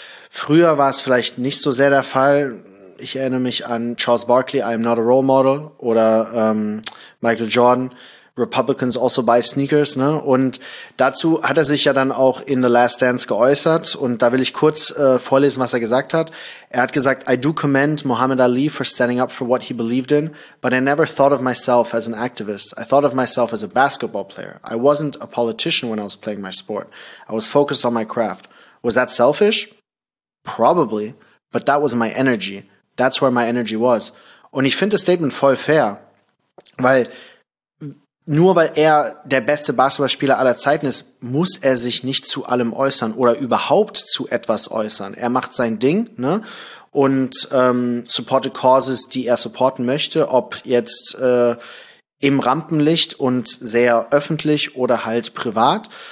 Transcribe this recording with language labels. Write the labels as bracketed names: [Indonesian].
[German] Früher war es vielleicht nicht so sehr der Fall. Ich erinnere mich an Charles Barkley, [English] I'm not a role model, [German] oder Michael Jordan, [English] Republicans also buy sneakers, [German] ne? Und dazu hat er sich ja dann auch in The Last Dance geäußert und da will ich kurz vorlesen, was er gesagt hat. Er hat gesagt, [English] I do commend Muhammad Ali for standing up for what he believed in, but I never thought of myself as an activist. I thought of myself as a basketball player. I wasn't a politician when I was playing my sport. I was focused on my craft. Was that selfish? Probably, but that was my energy. That's where my energy was. [German] Und ich finde das Statement voll fair, weil nur weil er der beste Basketballspieler aller Zeiten ist, muss er sich nicht zu allem äußern oder überhaupt zu etwas äußern. Er macht sein Ding, ne? Und supportet Causes, die er supporten möchte, ob jetzt im Rampenlicht und sehr öffentlich oder halt privat.